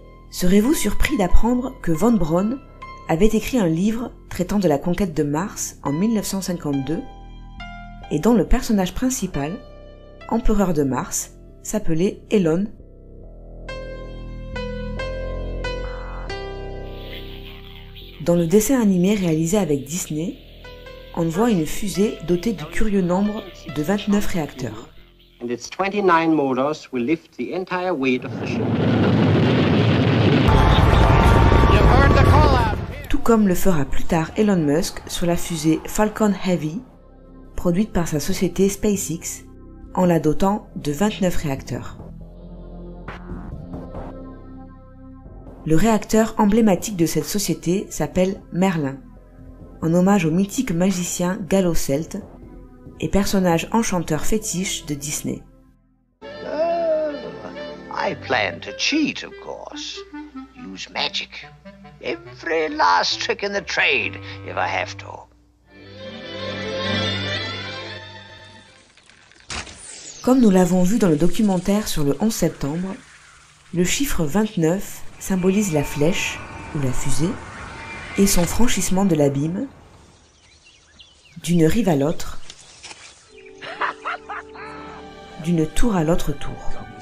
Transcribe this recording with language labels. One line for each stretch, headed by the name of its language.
French: Serez-vous surpris d'apprendre que Von Braun avait écrit un livre traitant de la conquête de Mars en 1952 et dont le personnage principal, empereur de Mars, s'appelait Elon? Dans le dessin animé réalisé avec Disney, on voit une fusée dotée du curieux nombre de 29 réacteurs.
English: And its 29 motors will lift the entire weight of the ship.
French: Tout comme le fera plus tard Elon Musk sur la fusée Falcon Heavy, produite par sa société SpaceX, en la dotant de 29 réacteurs. Le réacteur emblématique de cette société s'appelle Merlin, en hommage au mythique magicien gallo-celte et personnage enchanteur fétiche de Disney.
English: I plan to cheat, of course. Use magic. Every last trick in the trade, if I have to.
French: Comme nous l'avons vu dans le documentaire sur le 11 septembre, le chiffre 29 symbolise la flèche, ou la fusée, et son franchissement de l'abîme, d'une rive à l'autre, d'une tour à l'autre tour.